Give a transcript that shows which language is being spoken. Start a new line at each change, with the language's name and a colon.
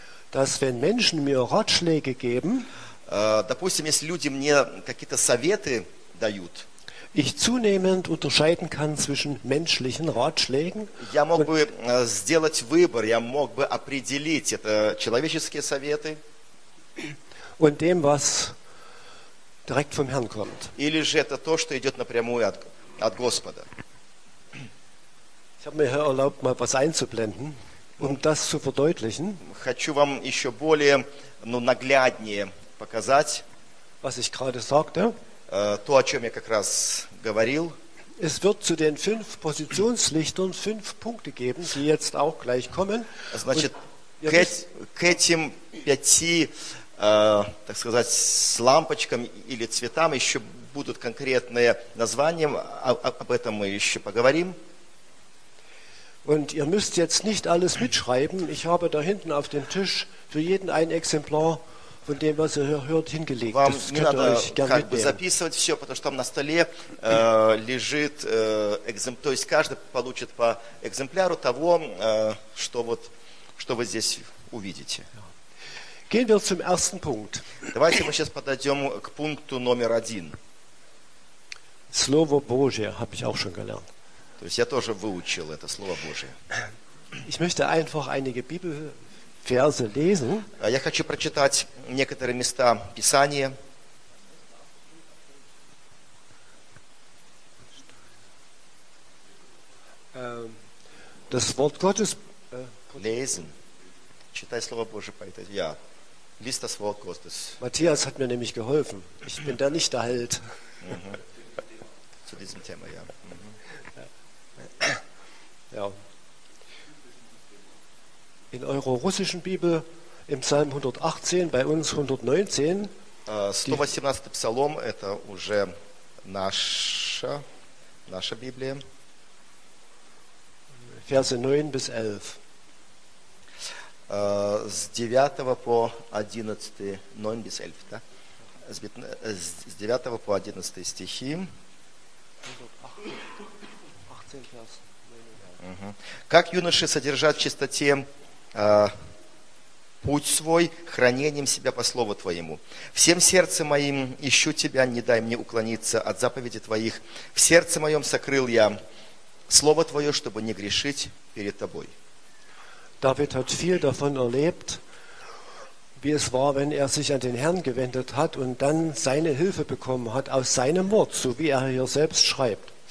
German: Dass wenn Menschen mir Ratschläge geben,
Russian: допустим, если люди мне какие-то советы дают,
German: ich zunehmend unterscheiden kann zwischen menschlichen Ratschlägen.
Russian: Я мог бы сделать выбор, я мог бы определить это человеческие советы.
German: Und dem, was direkt vom Herrn kommt.
Russian: Или же это то, что идет напрямую от Господа.
German: Ich habe mir erlaubt, mal was einzublenden, um das zu verdeutlichen.
Russian: Хочу вам еще более, ну, нагляднее показать,
German: was ich gerade sagte.
Russian: То, о чем я как раз говорил.
German: Es wird zu den fünf Positionslichtern fünf Punkte geben, die jetzt auch gleich kommen.
Russian: Значит, к этим пяти, так сказать, с лампочками или цветам еще будут конкретные названия, об этом мы еще поговорим.
German: Und ihr müsst jetzt nicht alles mitschreiben. Ich habe da hinten auf dem Tisch für jeden ein Exemplar von dem, was ihr hört, hingelegt. Вам das könnt ihr euch gerne mitnehmen.
Russian: Записывать все, потому что там на столе лежит экземпляр. То есть каждый получит по экземпляру того, что вот, что вы здесь увидите.
German: Gehen wir zum ersten Punkt.
Russian: Давайте мы сейчас подойдем к пункту номер один.
German: Слово Божие, habe ich auch schon gelernt.
Russian: То есть я тоже выучил это слово Божие.
German: Ich möchte einfach einige Bibel Verse lesen.
Russian: Я хочу прочитать некоторые места Писания.
German: Das Wort Gottes lesen.
Russian: Читай слово Божие по этой.
German: Ja. Lies das Wort Gottes. Matthias hat mir nämlich geholfen. Ich bin da nicht der Held. Zu diesem Thema, ja. Ja. In eurer russischen Bibel im Psalm 118, bei uns 119. 118.
Russian: Psalm, это уже наша Библия.
German: Verse 9 bis 11.
Russian: С 9 по 11, 9 bis 11, да? С 9 по 11 стихи. 118. Как юноши содержат в чистоте путь свой, хранением себя по слову Твоему. Всем сердцем моим ищу Тебя, не дай мне уклониться от заповеди Твоих. В сердце моем сокрыл я слово Твое, чтобы не грешить перед Тобой.
German: David hat viel davon erlebt, wie es war, wenn er sich an den Herrn gewendet hat und dann seine Hilfe bekommen hat aus seinem Wort, so wie er hier selbst schreibt.